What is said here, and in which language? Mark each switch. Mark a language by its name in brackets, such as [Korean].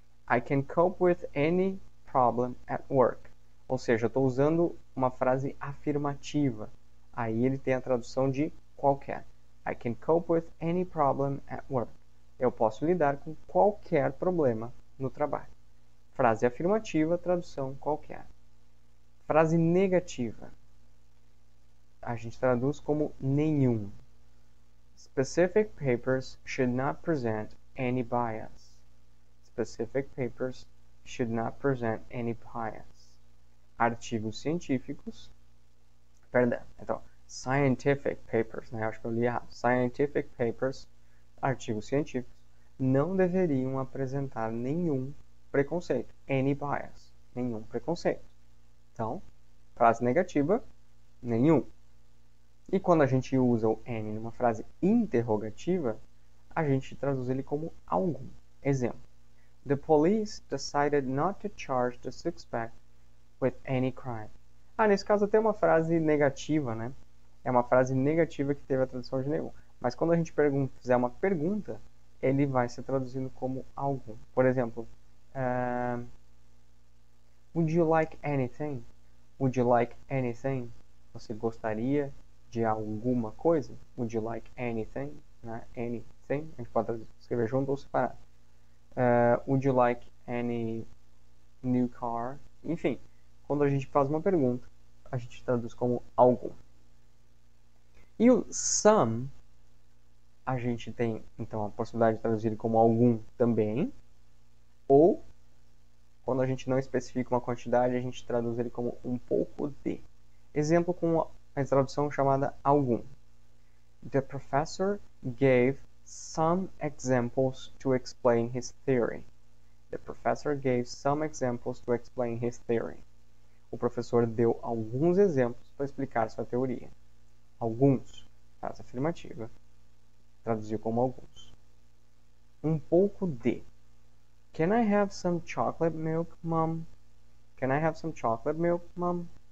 [English] I can cope with any problem at work. [Portuguese] Ou seja, eu estou usando uma frase afirmativa. Aí ele tem a tradução de qualquer. [English] I can cope with any problem at work. [Portuguese] Eu posso lidar com qualquer problema no trabalho. Frase afirmativa, tradução qualquer. Frase negativa. A gente traduz como nenhum. [English] Specific papers should not present any bias. Specific papers should not present any bias. [Portuguese] Artigos científicos. Perdão, então, [English] scientific papers, [Portuguese] né? Acho que eu li errado. [English] Scientific papers, [Portuguese] artigos científicos, não deveriam apresentar nenhum preconceito. [English] Any bias. [Portuguese] Nenhum preconceito. Então, frase negativa, nenhum. E quando a gente usa o any numa frase interrogativa, a gente traduz ele como algum. Exemplo. [English] The police decided not to charge the suspect with any crime. [Portuguese] Ah, nesse caso até uma frase negativa, né? É uma frase negativa que teve a tradução de nenhum. Mas quando a gente pergunta, fizer uma pergunta, ele vai ser traduzido como algum. Por exemplo, [English] would you like anything? Would you like anything? [Portuguese] Você gostaria de alguma coisa? [English] Would you like anything? [Portuguese] Né? [English] Anything? [Portuguese] A gente pode escrever junto ou separado. [English] Would you like any new car? [Portuguese] Enfim, quando a gente faz uma pergunta, a gente traduz como algum. E o some, a gente tem, então, a possibilidade de traduzir como algum também. Ou, quando a gente não especifica uma quantidade, a gente traduz ele como um pouco de. Exemplo com a tradução chamada algum. [English] The professor gave some examples to explain his theory. The professor gave some examples to explain his theory. [Portuguese] O professor deu alguns exemplos para explicar sua teoria. Alguns, frase afirmativa, traduziu como alguns. Um pouco de. [English] Can I have some chocolate milk, mom? Can I have some chocolate milk, mom?